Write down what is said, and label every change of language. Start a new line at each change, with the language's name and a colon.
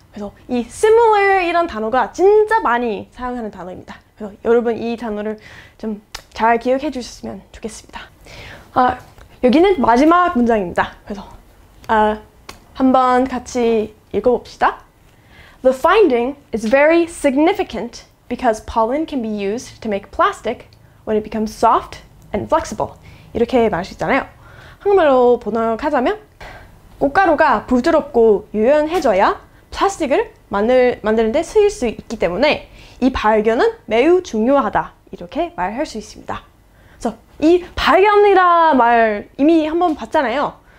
Korean: 그래서 이 similar 이런 단어가 진짜 많이 사용하는 단어입니다. 그래서 여러분 이 단어를 좀 잘 기억해 주셨으면 좋겠습니다. 여기는 마지막 문장입니다. 그래서 한번 같이 읽어봅시다.
English: The finding is very significant because pollen can be used to make plastic when it becomes soft and flexible.
Korean: 이렇게 말할 수 있잖아요. 한국말로 번역하자면 꽃가루가 부드럽고 유연해져야 플라스틱을 만드는데 쓰일 수 있기 때문에 이 발견은 매우 중요하다. 이렇게 말할 수 있습니다. 그래서 이 발견이라 말 이미 한번 봤잖아요.